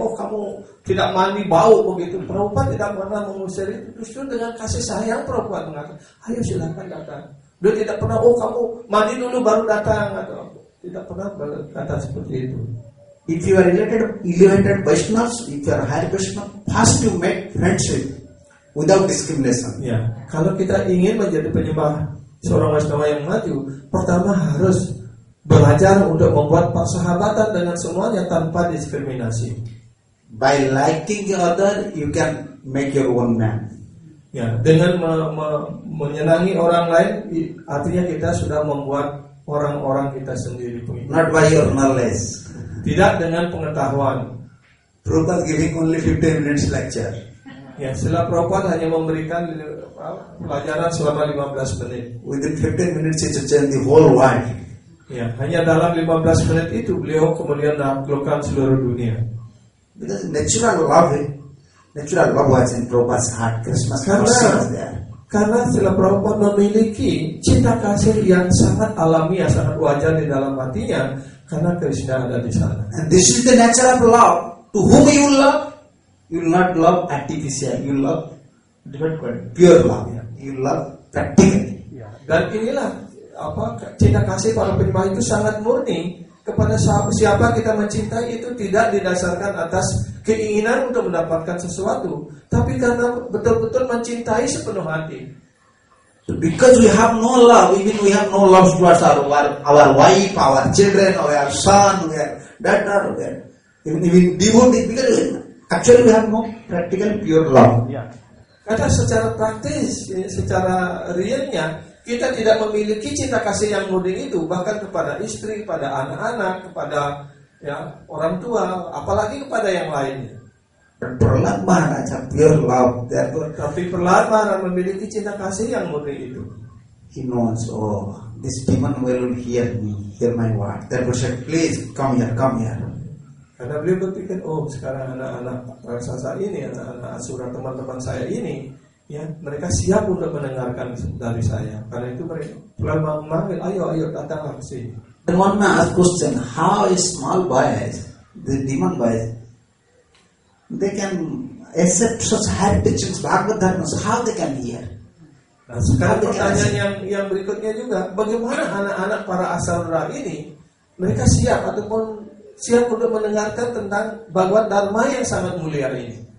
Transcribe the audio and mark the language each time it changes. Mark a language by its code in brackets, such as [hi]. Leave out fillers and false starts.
[id] Oh, kamu tidak mandi, bau begitu. Prabhupada tidak pernah mengusir itu. Justru dengan kasih sayang Prabhupada mengatakan, ayo silakan datang. Dia tidak pernah, oh kamu mandi dulu baru datang, atau tidak pernah berkata seperti itu. [en] If you are related elevated Vaishnavas, if you are Hare Krishna, first you make friendship without discrimination. [id] Ya, kalau kita ingin menjadi penyembah seorang Vaishnava yang maju, pertama harus belajar untuk membuat persahabatan dengan semuanya tanpa diskriminasi. [en] By liking the other, you can make your own man. [id] Ya, dengan menyenangi orang lain, artinya kita sudah membuat orang-orang kita sendiri pengikut. [en] Not by your knowledge. [id] Tidak dengan pengetahuan. [en] Prabhupada giving only 15 minutes lecture. [id] Ya, setelah Prabhupada hanya memberikan pelajaran selama 15 menit. [en] Within 15 minutes, he should change the whole world. [id] Ya, hanya dalam 15 menit itu beliau kemudian menaklukkan seluruh dunia. [en] Because natural love, natural love was in Prabhupada's heart. Krishna consciousness there. [id] Karena sila Prabhupada memiliki cinta kasih yang sangat alamiah, sangat wajar di dalam hatinya, karena Krishna ada di sana. [en] And this is the nature of love. To whom you love, you not love artificial, you love divine quality, pure love. Yeah. You love practical. Yeah. [id] Dan inilah apa cinta kasih para penyembah itu sangat murni. Kepada siapa kita mencintai itu tidak didasarkan atas keinginan untuk mendapatkan sesuatu, tapi karena betul-betul mencintai sepenuh hati. [en] So because we have no love, even we have no love towards our wife, our children, our son, our daughter, even devotee, because actually we have no practical pure love. [id] Karena secara praktis, secara realnya, kita tidak memiliki cinta kasih yang murni itu, bahkan kepada istri, kepada anak-anak, kepada ya orang tua, apalagi kepada yang lainnya. Perlahan-lahan aja [en] pure love, therefore. [id] Tapi perlahan-lahan memiliki cinta kasih yang murni itu. [en] He knows, oh, this demon will hear me, hear my word. Therefore said, please come here, come here. [id] Karena beliau berpikir, oh, sekarang anak-anak raksasa ini, anak-anak asura teman-teman saya ini, ya, mereka siap untuk mendengarkan dari saya. Karena itu mereka pernah memanggil, ayo, ayo datang ke sini. [en] Then one may ask question, how is small boys, the demon boys, they can accept such high teachings, Bhagavad Dharma, how they can hear? [id] Nah, sekarang pertanyaan yang berikutnya juga, bagaimana anak-anak para asalra ini, mereka siap ataupun siap untuk mendengarkan tentang Bhagavad Dharma yang sangat mulia ini?